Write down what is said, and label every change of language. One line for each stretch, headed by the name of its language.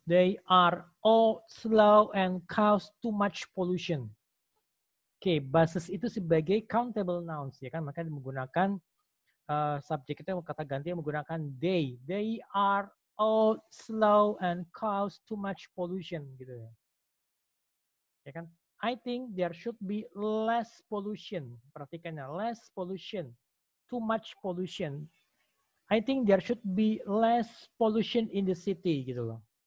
English: They are all slow and cause too much pollution.
Indonesian: Oke, buses itu sebagai countable nouns ya kan, maka menggunakan subjek itu kata ganti yang menggunakan they.
English: They are all slow and cause too much pollution
Indonesian: gitu ya. Ya kan?
English: I think there should be less pollution.
Indonesian: Perhatikan ya,
English: less pollution. Too much pollution. I think there should be less pollution in the city,
Indonesian: gitu loh.